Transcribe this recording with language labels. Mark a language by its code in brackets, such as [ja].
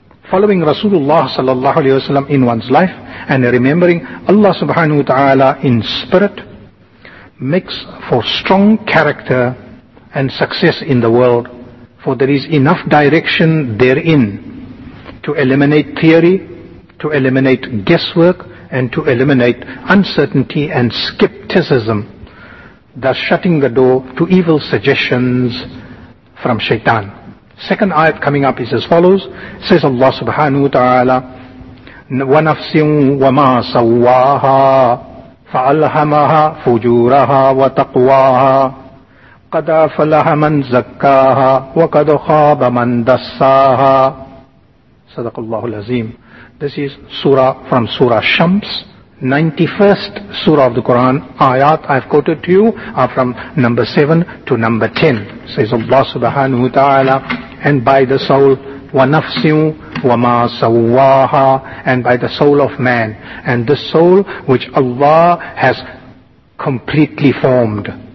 [en] Following Rasulullah sallallahu alaihi wasallam in one's life and remembering Allah subhanahu wa ta'ala in spirit makes for strong character and success in the world, for there is enough direction therein to eliminate theory, to eliminate guesswork, and to eliminate uncertainty and skepticism, thus shutting the door to evil suggestions from Shaitan. Second ayat coming up is as follows. Says Allah subhanahu wa ta'ala, [ar] وَنَفْسٍ وَمَا سَوَّاهَا فَأَلْهَمَهَا فُجُورَهَا وَتَقْوَاهَا قد أفلح من زكاها وقد خاب من دساها. صدق الله العظيم. [en] This is surah from Surah Shams, 91st surah of the Quran. Ayat I've quoted to you are from number 7 to number 10. Says Allah subhanahu wa ta'ala, and by the soul, [ar] wa nafsin wa ma sawwaha, [en] and by the soul of man, and the soul which Allah has completely formed.